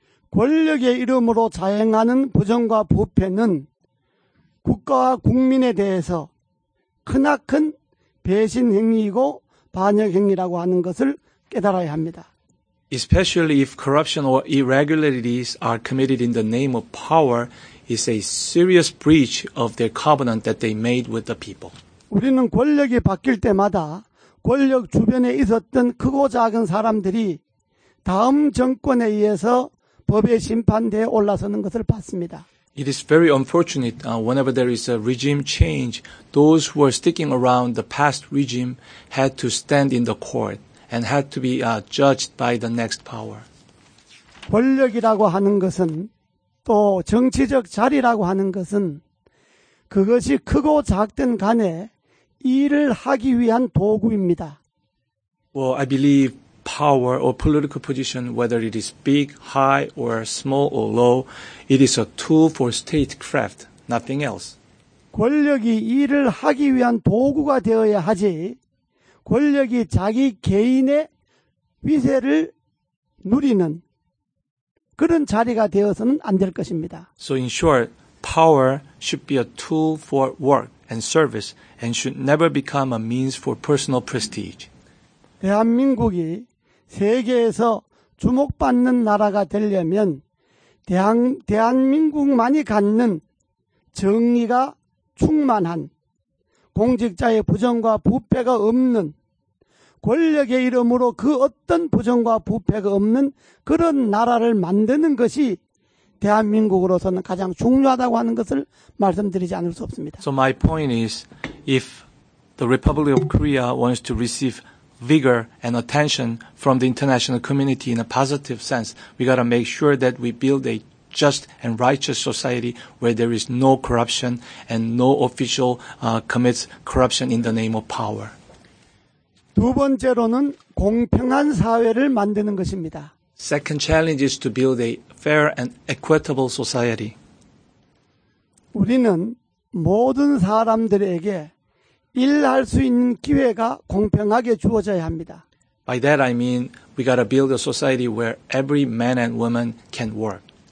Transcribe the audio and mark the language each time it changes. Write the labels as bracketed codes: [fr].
[ko] 권력의 이름으로 자행하는 부정과 부패는 국가와 국민에 대해서 크나큰 배신 행위이고 반역 행위라고 하는 것을 깨달아야 합니다. [en] Especially if corruption or irregularities are committed in the name of power, it's a serious breach of their covenant that they made with the people. [ko] 우리는 권력이 바뀔 때마다 권력 주변에 있었던 크고 작은 사람들이 다음 정권에 의해서 법의 심판대에 올라서는 것을 봤습니다. [en] It is very unfortunate whenever there is a regime change, those who are sticking around the past regime had to stand in the court and had to be judged by the next power. [ko] 권력이라고 하는 것은 또 정치적 자리라고 하는 것은 그것이 크고 작든 간에 일을 하기 위한 도구입니다. [en] Well, I believe power or political position, whether it is big, high, or small or low, it is a tool for statecraft, nothing else. [ko] 권력이 일을 하기 위한 도구가 되어야 하지, 권력이 자기 개인의 위세를 누리는 그런 자리가 되어서는 안 될 것입니다. [en] So in short, power should be a tool for work and service and should never become a means for personal prestige. [ko] 대한민국이 세계에서 주목받는 나라가 되려면 대한민국만이 갖는 정의가 충만한 공직자의 부정과 부패가 없는 권력의 이름으로 그 어떤 부정과 부패가 없는 그런 나라를 만드는 것이 대한민국으로서는 가장 중요하다고 하는 것을 말씀드리지 않을 수 없습니다. [en] So my point is, if the Republic of Korea wants to receive vigor and attention from the international community in a positive sense, we got to make sure that we build a just and righteous society where there is no corruption and no official commits corruption in the name of power. [ko] 두 번째로는 공평한 사회를 만드는 것입니다. [en] Second challenge is to build a fair and equitable society. [ko] 우리는 모든 사람들에게 일할 수 있는 기회가 공평하게 주어져야 합니다. [en] By that I mean we got to build a society where every man and woman can work.